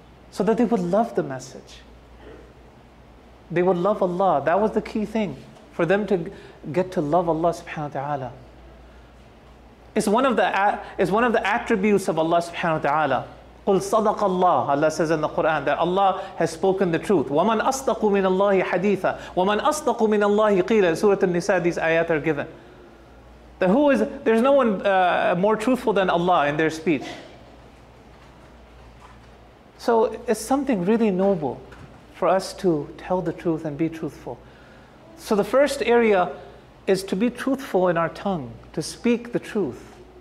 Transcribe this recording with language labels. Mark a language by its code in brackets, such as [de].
[en] So that they would love the message. They would love Allah. That was the key thing for them to get to love Allah subhanahu wa ta'ala. It's one of the attributes of Allah subhanahu wa ta'ala. [ar] قُلْ صَدَقَ اللَّهُ [en] Allah says in the Qur'an that Allah has spoken the truth. [ar] وَمَنْ أَصْدَقُ مِنَ اللَّهِ حَدِيثًا وَمَنْ أَصْدَقُ مِنَ اللَّهِ قِيلًا [en] In Surah An-Nisa, these ayat are given. That who is, there's no one more truthful than Allah in their speech. So it's something really noble for us to tell the truth and be truthful. So the first area is to be truthful in our tongue, to speak the truth.